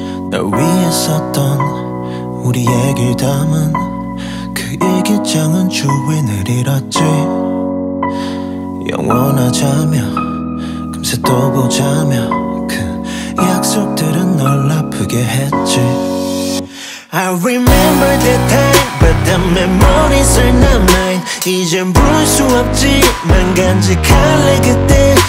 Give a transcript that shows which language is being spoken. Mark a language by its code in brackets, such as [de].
[ko] 널 위해 썼던 우리 얘기 담은 그 일기장은 주인을 잃었지. 영원하자며 금세 또 보자며 그 약속들은 널 아프게 했지. [en] I remember the time, but the memories are not mine. [ko] 이젠 부를 수 없지만 간직할래 그때.